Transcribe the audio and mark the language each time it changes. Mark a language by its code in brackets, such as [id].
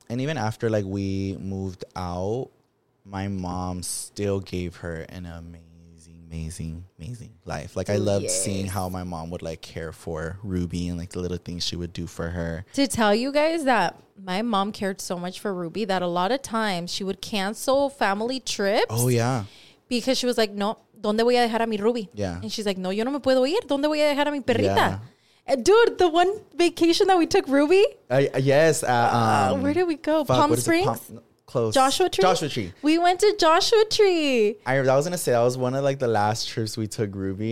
[en] And even after, like, we moved out, my mom still gave her an amazing, amazing, amazing life. Like, I loved seeing how my mom would, like, care for Ruby and, like, the little things she would do for her. To tell you guys that my mom cared so much for Ruby that a lot of times she would cancel family trips. Oh, yeah. Because she was like, [es] no, ¿dónde voy a dejar a mi Ruby? [en] Yeah. And she's like, [es] no, yo no me puedo ir. ¿Dónde voy a dejar a mi perrita? [en] Yeah. Dude, the one vacation that we took Ruby? Where did we go? Palm Springs? Close. Joshua Tree? Joshua Tree. We went to Joshua Tree. I was going to say, that was one of like the last trips we took Ruby.